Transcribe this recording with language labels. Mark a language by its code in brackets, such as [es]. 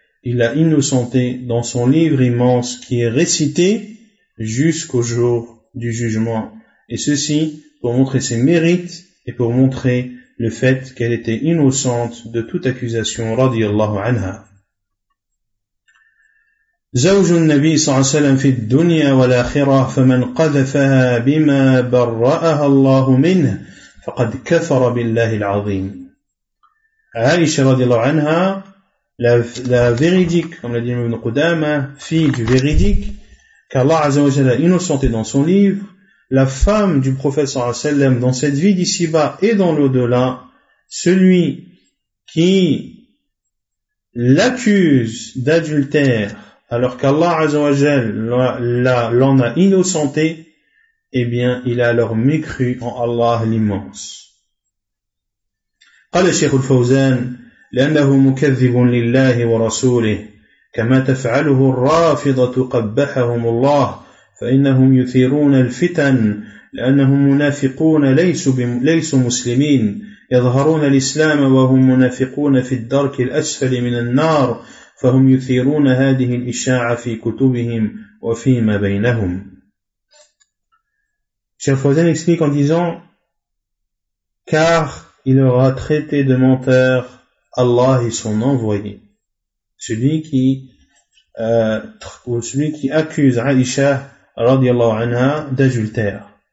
[fr] Il l'a innocenté dans son livre immense qui est récité jusqu'au jour du jugement. Et ceci pour montrer ses mérites et pour montrer le fait qu'elle était innocente de toute accusation radiyallahu anha. [ar] زوج النبي صلى الله عليه وسلم في الدنيا والآخرة فمن قذفها بما برأها الله منه فقد كفر بالله العظيم. [fr] عائشة رضي الله عنها la véridique, comme l'a dit Ibn Qudama, fille du véridique, qu'Allah عز وجل a innocenté dans son livre, la femme du prophète صلى الله عليه وسلم dans cette vie d'ici-bas et dans l'au-delà, celui qui l'accuse d'adultère alors qu'Allah Azzawajal l'en a innocenté, eh bien, il a alors mécru en Allah l'immense. [ar] قال الشيخ الفوزان لأنه مكذب لله ورسوله كما تفعله الرافضة قبحهم الله فإنهم يثيرون الفتن لأنهم منافقون ليسوا مسلمين يظهرون الإسلام وهم منافقون في الدرك الأسفل من النار فهم يثيرون هذه الإشاعة في كتبهم وفيما بينهم. [fr] Cheikh Fawzan explique en disant, car il aura traité de menteur Allah et son envoyé, celui qui accuse Aïcha radiallahu anha d'adultère.